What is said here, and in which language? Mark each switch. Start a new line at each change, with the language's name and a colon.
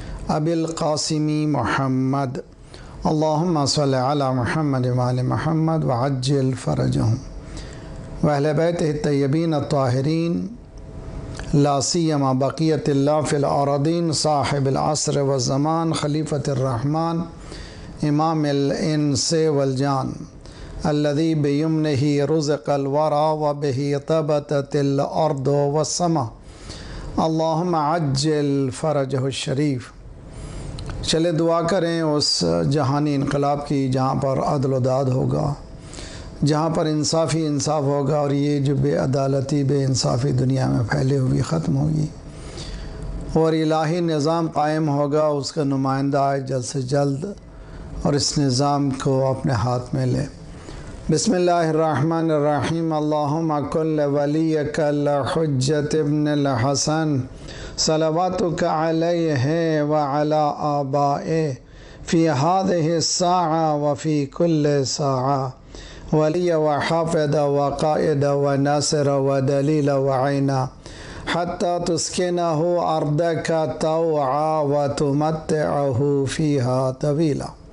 Arabic: أبي القاسم محمد، اللهم صل على محمد وعلى محمد وعجل فرجهم وأهل بيته الطيبين الطاهرين، لا سيما بقية الله في الأراضين، صاحب العصر والزمان، خليفة الرحمن، إمام الإنس والجان، الذي بيمنه رزق الورى وبه ثبتت الأرض والسماء. اللهم عجل فرجه الشريف.
Urdu: چلے دعا کریں اس جہانی انقلاب کی جہاں پر عدل و داد ہوگا، جہاں پر انصاف ہی انصاف ہوگا، اور یہ جو بے عدالتی بے انصافی دنیا میں پھیلی ہوئی ختم ہوگی، اور الہی نظام قائم ہوگا، اس کا نمائندہ آئے جلد سے جلد اور اس نظام کو اپنے ہاتھ میں لے.
Arabic: بسم اللہ الرحمن الرحیم. اللہم کل ولیک الحجت ابن الحسن صلواتك عليه وعلى آبائه في هذه الساعة وفي كل ساعة، ولي وحافظ وقائد وناصر ودليل وعينا، حتى تسكنه أرضك طوعا وتمتعه فيها طويلا.